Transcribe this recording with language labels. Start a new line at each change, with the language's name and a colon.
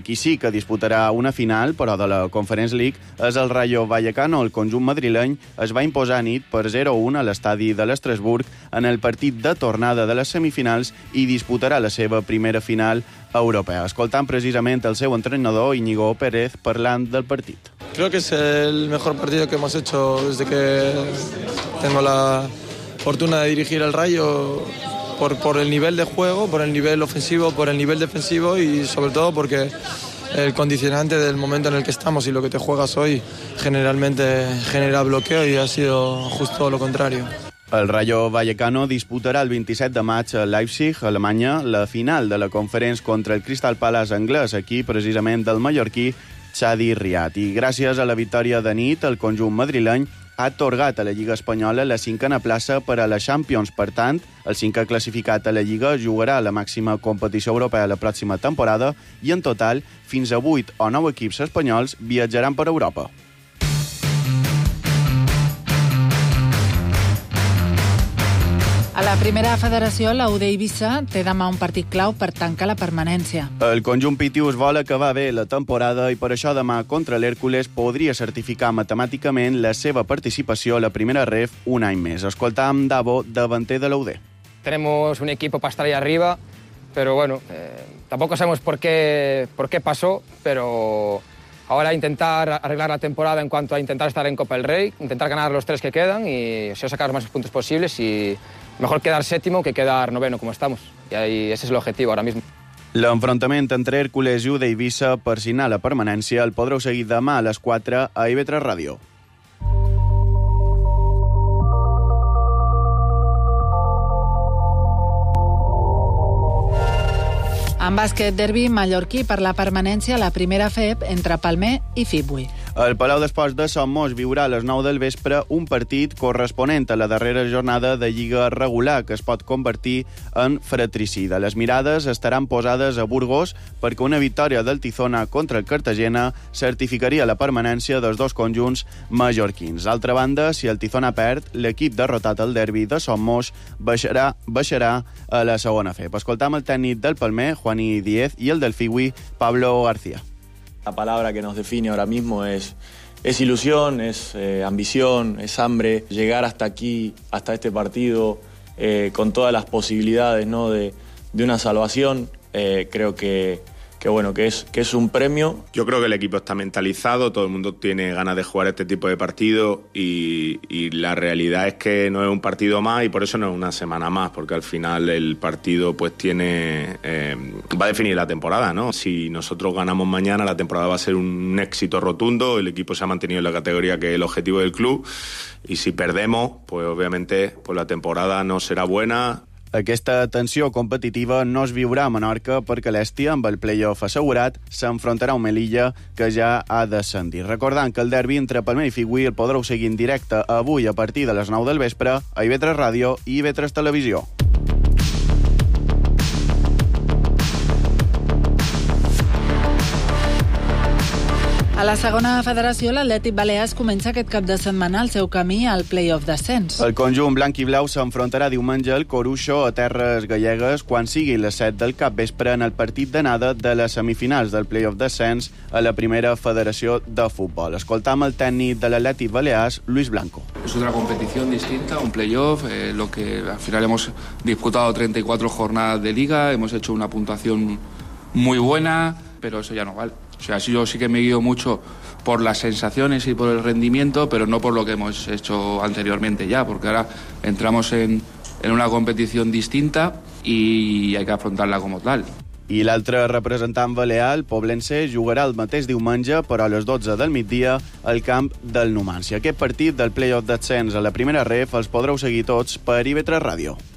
Catalan: Qui sí que disputarà una final, però de la Conference League, és el Rayo Vallecano. El conjunt madrileny es va imposar nit per 0-1 a l'estadi de l'Estrasburg en el partit de tornada de les semifinals i disputarà la seva primera final europea. Escoltant precisament el seu entrenador, Íñigo Pérez, parlant del partit.
Spanish: Creo que es el mejor partido que hemos hecho desde que tengo la fortuna de dirigir el Rayo, por el nivel de juego, por el nivel ofensivo, por el nivel defensivo y sobre todo porque el condicionante del momento en el que estamos y lo que te juegas hoy generalmente genera bloqueo y ha sido justo lo contrario.
Catalan: El Rayo Vallecano disputarà el 27 de maig a Leipzig, Alemanya, la final de la conferència contra el Crystal Palace anglès, aquí precisament del mallorquí Xavi Riat. I gràcies a la victòria de nit, el conjunt madrileny ha atorgat a la Lliga Espanyola la 5a plaça per a la Champions. Per tant, el 5a classificat a la Lliga jugarà la màxima competició europea la pròxima temporada i, en total, fins a 8 o 9 equips espanyols viatjaran per Europa. A la primera federació, la UD Eivissa té demà un partit clau per tancar la permanència. El conjunt pitius vol acabar bé la temporada i per això demà contra l'Hèrcules podria certificar matemàticament la seva participació a la primera ref un any més. Escoltam Davo, davanter de la UD.
Spanish: Tenemos un equipo para estar ahí arriba, pero bueno, tampoco sabemos por qué pasó, pero ahora intentar arreglar la temporada en cuanto a intentar estar en Copa del Rey, intentar ganar los 3 que quedan y sacar más puntos posibles y mejor quedar séptimo que quedar noveno, como estamos. Y ahí, ese es el objetivo ahora mismo.
Catalan: L'enfrontament entre Hèrcules i UD Eivissa per signar la permanència el podreu seguir demà a les 4 a IB3 Ràdio. En bàsquet, derbi mallorquí per la permanència a la primera FEB entre Palmer i Fibui. El Palau d'Esports de Sant Moix viurà a les 9 del vespre un partit corresponent a la darrera jornada de Lliga regular que es pot convertir en fratricida. Les mirades estaran posades a Burgos perquè una victòria del Tizona contra el Cartagena certificaria la permanència dels dos conjunts mallorquins. D'altra banda, si el Tizona perd, l'equip derrotat al derbi de Sant Moix baixarà a la segona FEB. Escoltam el tècnic del Palmer, Juani Díez, i el del Fiwi, Pablo García.
Spanish: La palabra que nos define ahora mismo es ilusión, es ambición, es hambre. Llegar hasta aquí, hasta este partido, con todas las posibilidades, ¿no? de una salvación, creo que es un premio. Yo creo que el equipo está mentalizado, todo el mundo tiene ganas de jugar este tipo de partido y la realidad es que no es un partido más y por eso no es una semana más, porque al final el partido pues tiene va a definir la temporada, ¿no? Si nosotros ganamos mañana, la temporada va a ser un éxito rotundo, el equipo se ha mantenido en la categoría que es el objetivo del club y si perdemos, pues obviamente pues la temporada no será buena.
Catalan: Aquesta tensió competitiva no es viurà a Menorca perquè l'Estia, amb el play-off assegurat, s'enfrontarà a un Melilla que ja ha descendit. Recordant que el derbi entre Palmer i Fiwi el podreu seguir en directe avui a partir de les 9 del vespre a IB3 Ràdio i IB3 Televisió. A la segona federació, l'Atlètic Balears comença aquest cap de setmana el seu camí al play-off d'ascens. El conjunt blanc i blau s'enfrontarà diumenge al Coruixo a Terres Gallegues quan sigui les 7 del capvespre en el partit d'anada de les semifinals del play-off d'ascens a la primera federació de futbol. Escoltam el tècnic de l'Atlètic Balears, Luis Blanco. És una competició distinta, un play-off.
Spanish: Lo que al final hemos disputado 34 jornadas de liga, hemos hecho una puntuación muy buena, pero eso ya no vale. O sea, yo sí que me guío mucho por las sensaciones y por el rendimiento, pero no por lo que hemos hecho anteriormente ya, porque ahora entramos en una competición distinta y hay que afrontarla como tal.
Catalan: I l'altre representant balear, el Poblense, jugarà el mateix diumenge, però a les 12 del migdia, al camp del Numància. Aquest partit del play-off d'ascens a la primera ref els podreu seguir tots per IB3 Ràdio.